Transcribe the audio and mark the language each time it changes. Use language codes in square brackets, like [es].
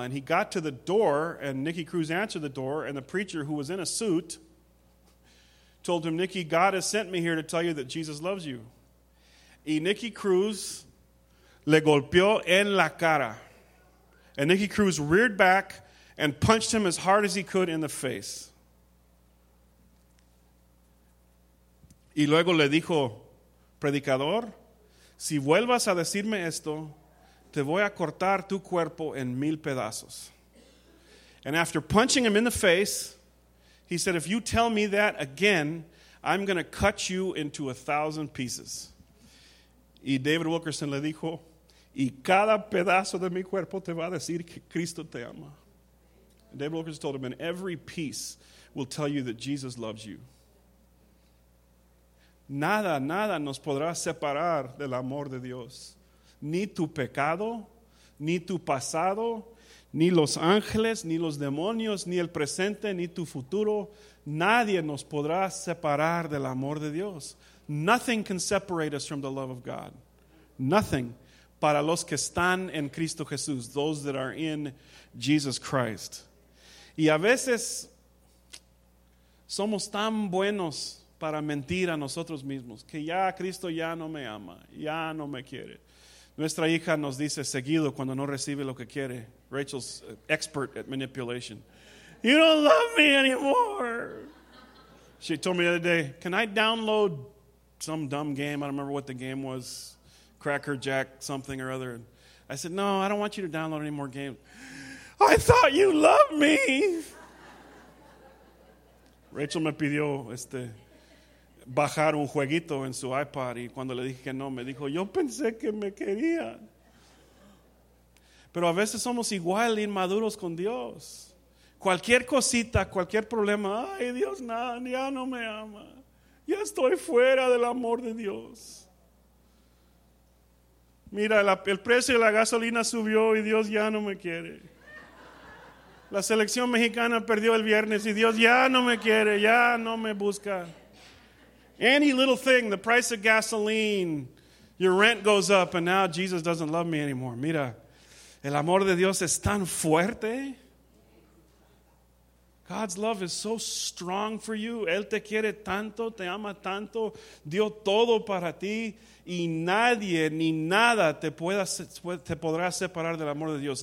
[en] And he got to the door, and Nicky Cruz answered the door, and the preacher, who was in a suit, told him, Nicky, God has sent me here to tell you that Jesus loves you. [es] Y Nicky Cruz le golpeó en la cara. [en] And Nicky Cruz reared back and punched him as hard as he could in the face. [es] Y luego le dijo, predicador, si vuelvas a decirme esto, te voy a cortar tu cuerpo en mil pedazos. [en] And after punching him in the face, he said, if you tell me that again, I'm going to cut you into 1,000 pieces. [es] Y David Wilkerson le dijo, y cada pedazo de mi cuerpo te va a decir que Cristo te ama. [en] And David Wilkerson told him, and every piece will tell you that Jesus loves you. [es] Nada, nada nos podrá separar del amor de Dios. Ni tu pecado, ni tu pasado, ni los ángeles, ni los demonios, ni el presente, ni tu futuro. Nadie nos podrá separar del amor de Dios. [en] Nothing can separate us from the love of God. Nothing. [es] Para los que están en Cristo Jesús, [en] those that are in Jesus Christ. [es] Y a veces somos tan buenos para mentir a nosotros mismos, que ya Cristo ya no me ama, ya no me quiere. Nuestra hija nos dice seguido cuando no recibe lo que quiere. [en] Rachel's expert at manipulation. You don't love me anymore. She told me the other day, can I download some dumb game? I don't remember what the game was Cracker Jack something or other. And I said, no, I don't want you to download any more games. I thought you loved me. [es] Rachel me pidió bajar un jueguito en su iPod. Y cuando le dije que no, me dijo, yo pensé que me quería. Pero a veces somos igual inmaduros con Dios. Cualquier cosita, cualquier problema, ay Dios, nada, ya no me ama. Ya estoy fuera del amor de Dios. Mira, el precio de la gasolina subió y Dios ya no me quiere. La selección mexicana perdió el viernes y Dios ya no me quiere, ya no me busca. [en] Any little thing, the price of gasoline, your rent goes up and now Jesus doesn't love me anymore. [es] Mira, el amor de Dios es tan fuerte. [en] God's love is so strong for you. [es] Él te quiere tanto, te ama tanto, dio todo para ti, y nadie ni nada te podrá separar del amor de Dios.